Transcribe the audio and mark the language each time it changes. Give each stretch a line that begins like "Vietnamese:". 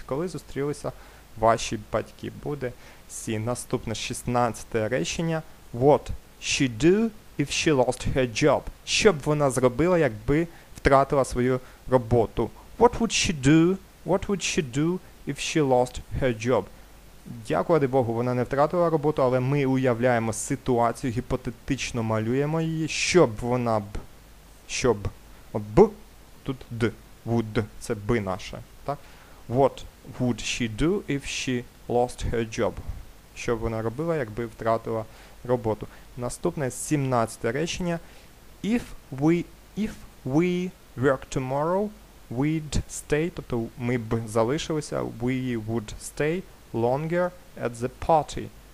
Ukrainian: Коли зустрілися ваші батьки. Буде сі. Наступне 16-те речення.
English: What she do if she lost her job?
Ukrainian: Що б вона зробила, якби втратила свою роботу?
English: What would she do if she lost her job?
Ukrainian: Дякувати Богу, вона не втратила роботу, але ми уявляємо ситуацію, гіпотетично малюємо її, що б вона б, щоб, от б, тут d, would, це би наше, так?
English: What would she do if she lost her job?
Ukrainian: Що б вона робила, якби втратила роботу? Наступне 17-те речення.
English: If we work tomorrow, we'd stay,
Ukrainian: тобто ми б залишилися,
English: we would stay longer at the party.